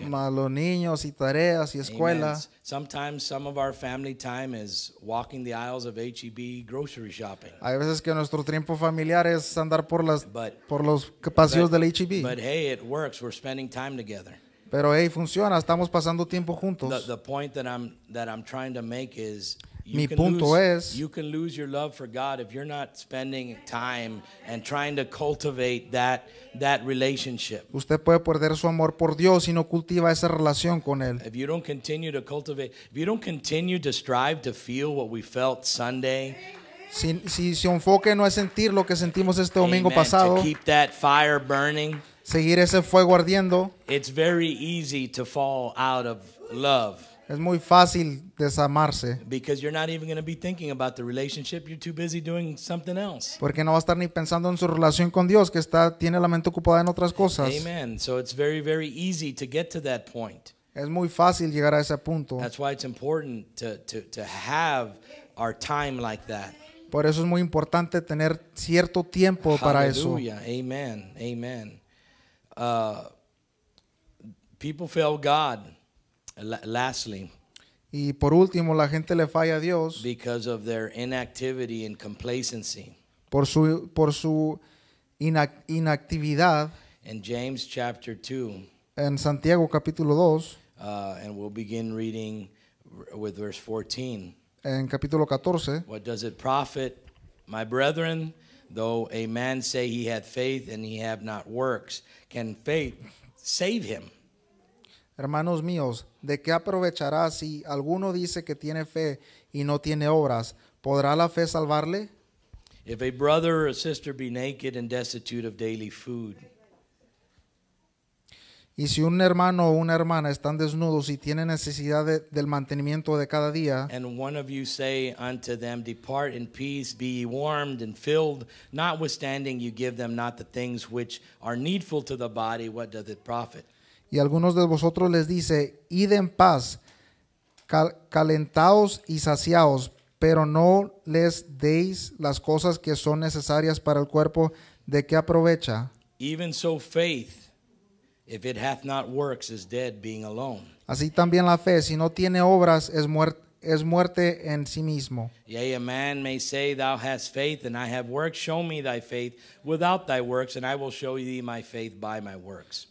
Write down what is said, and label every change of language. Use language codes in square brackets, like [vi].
[es] Más los niños y tareas y escuela. [en] Amen. Sometimes some of our family time is walking the aisles of HEB grocery shopping. [es] Hay veces que nuestro tiempo familiar es andar por las pasillos del HEB. [en] But hey, it works. We're spending time together. [es] Pero hey, funciona, estamos pasando tiempo juntos. [en] The point that I'm trying to make is you can lose your love for God if you're not spending time and trying to cultivate that relationship. [es] Usted puede perder su amor por Dios si no cultiva esa relación con él. [en] If you don't continue to cultivate, if you don't continue to strive to feel what we felt Sunday, [es] si su enfoque no es sentir lo que sentimos este domingo amen, pasado, [en] to keep that fire burning. [es] Seguir ese fuego ardiendo. [en] It's very easy to fall out of love. [es] Es muy fácil desamarse. [en] Because you're not even going to be thinking about the relationship. You're too busy doing something else. [es] Porque no va a estar ni pensando en su relación con Dios, que está tiene la mente ocupada en otras cosas. [en] Amen. So it's very, very easy to get to that point. [es] Es muy fácil llegar a ese punto. [en] That's why it's important to have our time like that. [es] Por eso es muy importante tener cierto tiempo para eso. [en] Hallelujah. Amen. Amen. People fail God. Lastly, [es] y por último, la gente le falla a Dios [en] because of their inactivity and complacency. [es] Por su inactividad. [en] In James chapter 2. [es] En Santiago capítulo 2. [en] And we'll begin reading with verse 14. [es] En capítulo 14. [en] What does it profit, my brethren? Though a man say he hath faith and he have not works, can faith save him? [es] Hermanos míos, ¿de qué aprovechará si alguno dice que tiene fe y no tiene obras? ¿Podrá la fe salvarle? [en] If a brother or a sister be naked and destitute of daily food. [es] Y si un hermano o una hermana están desnudos y tienen necesidad del mantenimiento de cada día. [en] And one of you say unto them, depart in peace, be ye warmed and filled, notwithstanding you give them not the things which are needful to the body, what doth it profit? [es] Y algunos de vosotros les dice, id en paz, calentaos y saciaos, pero no les deis las cosas que son necesarias para el cuerpo, ¿de qué aprovecha? [en] Even so faith. If it hath not works, is dead, being alone. [es] Así también la fe, si no tiene obras, es muerte en sí mismo. [en] Yea, a man may say, thou hast faith, and I have works. Show me thy faith without thy works, and I will show thee my faith by my works.